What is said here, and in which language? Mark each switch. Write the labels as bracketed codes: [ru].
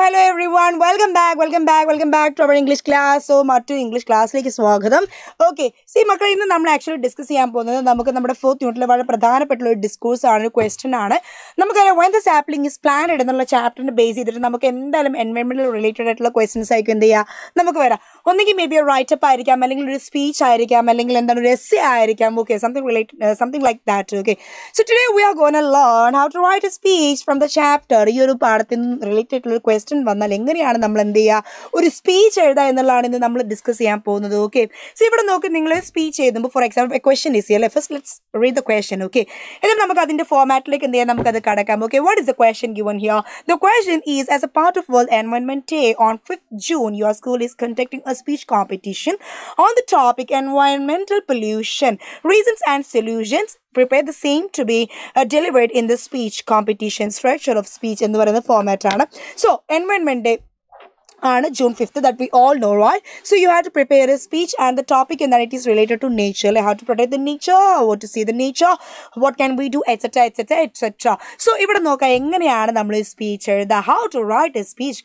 [en] everyone, welcome back to our English class. [ml] So മറ്റു English ക്ലാസ്സിലേക്ക് സ്വാഗതം. ഓക്കെ, സി മക്കളെ, ഇന്ന് നമ്മൾ ആക്ച്വലി ഡിസ്കസ് ചെയ്യാൻ പോകുന്നത് നമുക്ക് നമ്മുടെ ഫോർത്ത് യൂണിറ്റിലെ വളരെ പ്രധാനപ്പെട്ട ഒരു ഡിസ്കോഴ്സ് ആണ്, ഒരു ക്വസ്റ്റൻ ആണ്. നമുക്കറിയാം when the sapling is planted എന്നുള്ള ചാപ്റ്ററിന് ബേസ് ചെയ്തിട്ട് നമുക്ക് എന്തായാലും എൻവയോൺമെന്റൽ റിലേറ്റഡ് ആയിട്ടുള്ള ക്വസ്റ്റൻസ് ആയിരിക്കും എന്ത് ചെയ്യുക, നമുക്ക് വരാം. ഒന്നെങ്കിൽ മേ ബി ഒരു റൈറ്റപ്പ് ആയിരിക്കാം, അല്ലെങ്കിൽ ഒരു സ്പീച്ച് ആയിരിക്കാം, അല്ലെങ്കിൽ എന്താണ് ഒരു എസ്സേ ആയിരിക്കാം. [en] Okay, something related, something like that. Okay, so today we are going to learn how to write a speech from the chapter. [ml] ഈ ഒരു പാഠത്തിൽ റിലേറ്റഡ് ഒരു ക്വസ്റ്റൻ വന്നാൽ എങ്ങനെയാണ് നമ്മൾ എന്ത് ചെയ്യുക, ഒരു സ്പീച്ച് എഴുതുക എന്നുള്ളതാണ് ഇന്ന് നമ്മൾ ഡിസ്കസ് ചെയ്യാൻ പോകുന്നത്. ഓക്കെ, സോ ഇവിടെ നോക്ക്, നിങ്ങൾ സ്പീച്ച് എഴുതുമ്പോൾ, [en] For example, a question is here, first let's read the question. [ml] Okay, എന്നിട്ട് നമുക്ക് അതിന്റെ ഫോർമാറ്റിലേക്ക് എന്ത് ചെയ്യാം, നമുക്ക് അത് കടക്കാം. Okay, [en] What is the question given here? The question is, as A part of world environment day on 5th June, your school is conducting A speech competition on the topic എൻവയോൺമെന്റൽ pollution reasons and solutions. Prepare the same to be delivered in the speech competition structure of speech [ml] എന്ന് പറയുന്ന ഫോർമാറ്റാണ്. [en] So environment day ആണ് June 5th, that we all know right. So you have to prepare a speech and the topic എന്താണ്, it is related to nature, I have to protect the nature, what to see the nature, what can we do etcetera etcetera etcetera. [ml] So ഇവിടെ നോക്കാം എങ്ങനെയാണ് നമ്മൾ ഈ speech എഴുതുക, [en] How to write a speech.